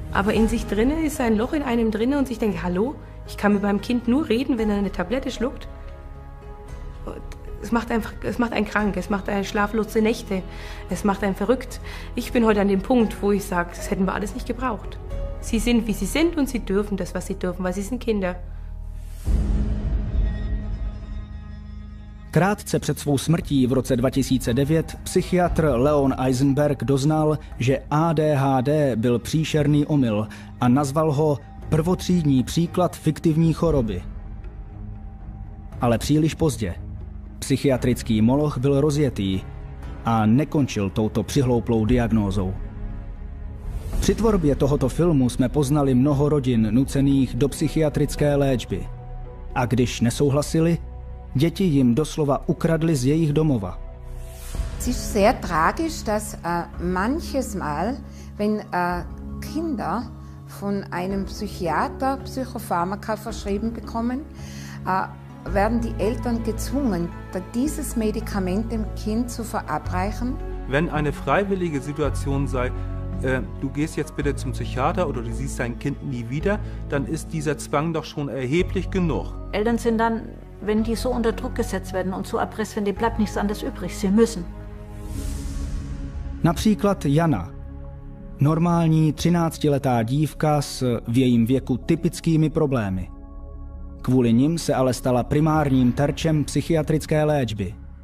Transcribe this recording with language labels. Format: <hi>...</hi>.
<de>Aber in sich drinnen ist ein Loch in einem drinnen und sich denkt, hallo, ich kann mit meinem Kind nur reden, wenn er eine Tablette schluckt. Es macht einen krank, es macht einen schlaflose Nächte, es macht einen verrückt. Ich bin heute an dem Punkt, wo ich sage, das hätten wir alles nicht gebraucht. Sie sind, wie sie sind und sie dürfen das, was sie dürfen, weil sie sind Kinder.</de> <cs>Krátce před svou smrtí v roce 2009 psychiatr Leon Eisenberg doznal, že ADHD byl příšerný omyl a nazval ho prvotřídní příklad fiktivní choroby. Ale příliš pozdě. Psychiatrický moloch byl rozjetý a nekončil touto přihlouplou diagnózou. Při tvorbě tohoto filmu jsme poznali mnoho rodin nucených do psychiatrické léčby. A když nesouhlasili, děti jim doslova ukradly z jejich domova.</cs> <de>Es ist sehr tragisch, dass manches Mal, wenn Kinder von einem Psychiater Psychopharmaka verschrieben bekommen, werden die Eltern gezwungen, dieses Medikament dem Kind zu verabreichen. Wenn eine freiwillige Situation sei, du gehst jetzt bitte zum Psychiater oder du siehst dein Kind nie wieder, dann ist dieser Zwang doch schon erheblich genug. Eltern sind dann, wenn die so unter Druck gesetzt werden und so erpresst werden, denen bleibt nichts anderes übrig. Sie müssen.</de> <cs>Například Jana. Normální 13-letá dívka s v jejím věku typickými problémy. Kvůli nim se ale stala primárním terčem psychiatrické léčby.</cs>